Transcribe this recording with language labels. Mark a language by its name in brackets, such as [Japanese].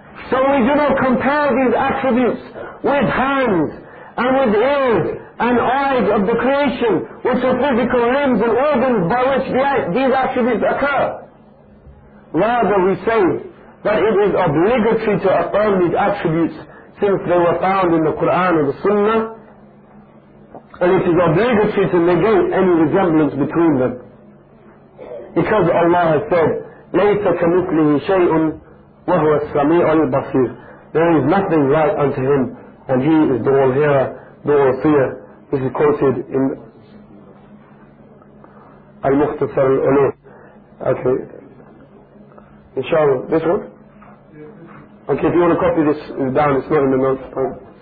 [English] So we do not compare these attributes with hands and with ears and eyes of the creation, which are physical limbs and organs by which these attributes occur. Rather we say that it is obligatory to affirm these attributes since they were found in the Quran and the Sunnah, and it is obligatory to negate any resemblance between them. Because Allah has said, [Arabic] لَيْسَ كَمِثْلِهِ شَيْءٌ وَهُوَ السَّمِيعُ الْبَصِيرُ. [English] There is nothing right unto him, and he is the all-hearer, the all-seer. This is quoted in Al-Mukhtasar al-Ulum. Okay. Inshallah. This one? Okay, if you want to copy this, it's down, it's not in the notes. Oh.